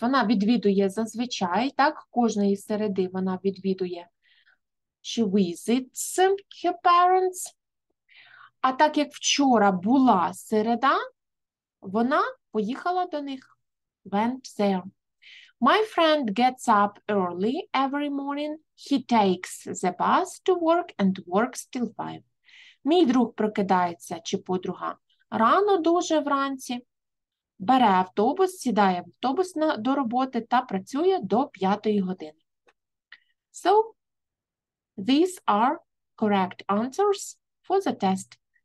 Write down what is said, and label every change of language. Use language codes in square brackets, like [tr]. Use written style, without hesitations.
[uk] Вона відвідує зазвичай, так? Кожної середи вона відвідує. [en] She visits her parents. [uk] А так як вчора була середа, вона поїхала до них. [en] Went there. My friend gets up early every morning. He takes the bus to work and works till 5. [uk] Мій друг прокидається, чи подруга, рано дуже вранці. Бере автобус, сідає в автобус до роботи та працює до 5-ї години. [en] So, these are correct answers for the test.